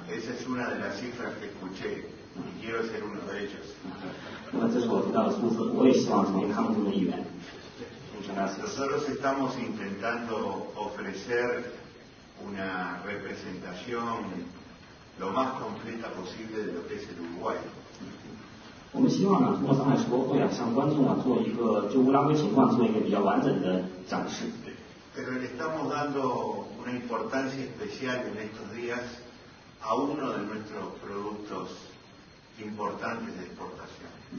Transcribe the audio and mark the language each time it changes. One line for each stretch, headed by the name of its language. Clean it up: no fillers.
Spanish: Esa es una de las cifras que escuché y quiero ser uno de ellos. Nosotros estamos intentando ofrecer una representación lo más completa posible de lo que es el Uruguay.
Chinese: 我们希望呢，通过上海世博会啊，向观众啊，做一个就乌拉圭情况做一个比较完整的展示。
Spanish: Pero le estamos dando una importancia especial en estos días a uno de nuestros productos importantes de exportación.